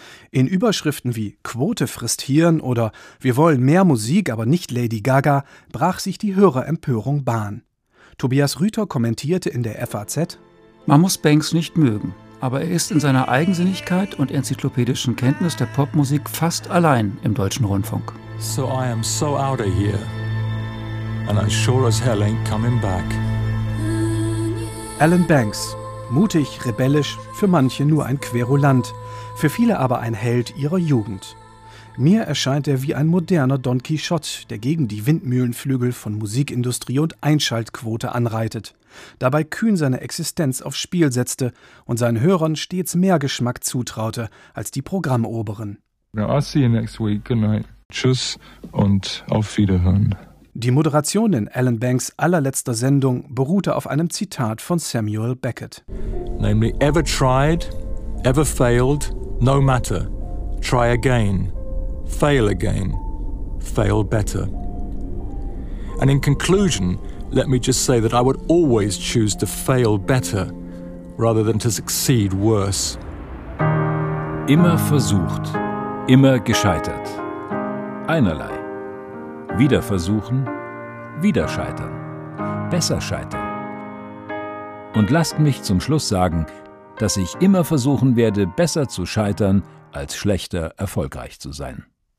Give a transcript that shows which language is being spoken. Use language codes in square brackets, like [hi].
[de] In Überschriften wie »Quote frisst Hirn« oder »Wir wollen mehr Musik, aber nicht Lady Gaga« brach sich die Hörerempörung Bahn. Tobias Rüther kommentierte in der FAZ: »Man muss Banks nicht mögen, aber er ist in seiner Eigensinnigkeit und enzyklopädischen Kenntnis der Popmusik fast allein im deutschen Rundfunk.« [en] »So I am so out of here, and I sure as hell ain't coming back.« [de] Alan Banks, mutig, rebellisch, für manche nur ein Querulant, für viele aber ein Held ihrer Jugend. Mir erscheint er wie ein moderner Don Quixote, der gegen die Windmühlenflügel von Musikindustrie und Einschaltquote anreitet, dabei kühn seine Existenz aufs Spiel setzte und seinen Hörern stets mehr Geschmack zutraute als die Programmoberen. [en] Now I'll see you next week. Good night. [de] Tschüss und auf Wiederhören. Die Moderation in Alan Banks allerletzter Sendung beruhte auf einem Zitat von Samuel Beckett. [en] Namely, ever tried, ever failed, no matter. Try again, fail better. And in conclusion, let me just say that I would always choose to fail better rather than to succeed worse. [de] Immer versucht, immer gescheitert. Einerlei. Wieder versuchen, wieder scheitern, besser scheitern. Und lasst mich zum Schluss sagen, dass ich immer versuchen werde, besser zu scheitern, als schlechter erfolgreich zu sein.